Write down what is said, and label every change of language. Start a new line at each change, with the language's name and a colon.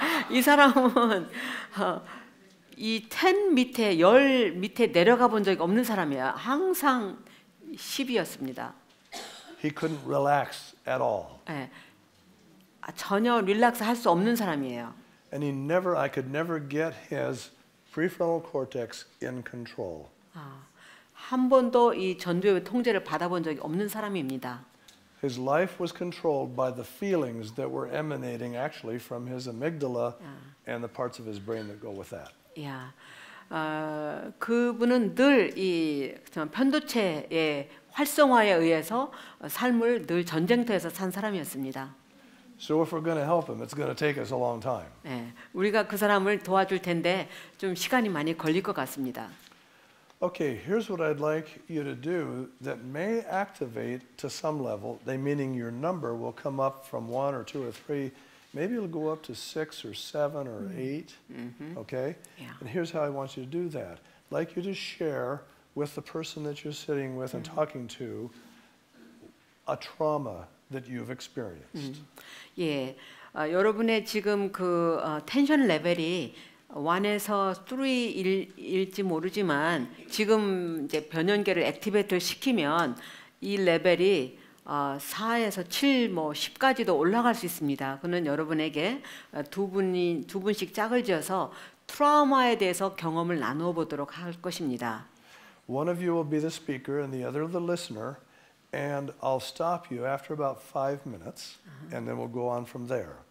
Korean: 이 사람은 이 10 밑에 10 밑에 내려가 본 적이 없는 사람이야. 항상 10이었습니다.
English: He couldn't relax at all.
Korean: 예. 전혀 릴렉스 할 수 없는 사람이에요.
English: And he never, I could never get his prefrontal cortex in control.
Korean: 아, 한 번도 이 전두엽 통제를 받아본 적이 없는 사람입니다.
English: His life was controlled by the feelings that were emanating actually from his amygdala and the parts of his brain that go with that.
Korean: 야, 그분은 늘 이 편도체의 활성화에 의해서 삶을 늘 전쟁터에서 산 사람이었습니다.
English: So if we're going to help him, it's going to take us a long time.
Korean: 예, 우리가 그 사람을 도와줄 텐데 좀 시간이 많이 걸릴 것 같습니다.
English: Okay, here's what I'd like you to do that may activate to some level. They meaning your number will come up from 1 or 2 or 3. Maybe it'll go up to 6 or 7 or 8. Okay? Yeah. And here's how I want you to do that. I'd like you to share with the person that you're sitting with and talking to a trauma that you've experienced.
Korean: 예. 여러분의 지금 그 텐션 레벨이 1에서 3일지 모르지만 지금 이제 변연계를 액티베이트를 시키면 이 레벨이 4에서 7 뭐 10까지도 올라갈 수 있습니다. 그는 여러분에게 두 분씩 짝을 지어서 트라우마에 대해서 경험을 나누어 보도록 할 것입니다.
English: One of you will be the speaker and the other the listener. And I'll stop you after about 5 minutes, and then we'll go on from there.